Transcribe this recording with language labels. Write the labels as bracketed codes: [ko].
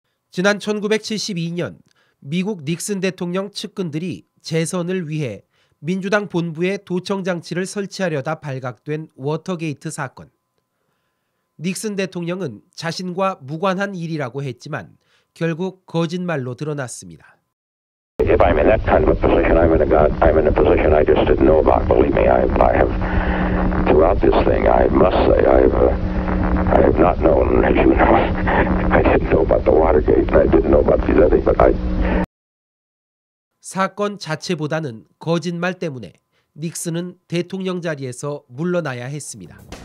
[ko] 지난 1972년 미국 닉슨 대통령 측근들이 재선을 위해 민주당 본부에 도청 장치를 설치하려다 발각된 워터게이트 사건. 닉슨 대통령은 자신과 무관한 일이라고 했지만 결국 거짓말로 드러났습니다. [en] If I'm in that kind of a position, I'm in a position I just didn't know about. Believe me, I have throughout this thing, I must say, I have not known, as you know, I didn't know about the Watergate, I didn't know about the other thing, but I. [ko] 사건 자체보다는 거짓말 때문에 닉슨은 대통령 자리에서 물러나야 했습니다.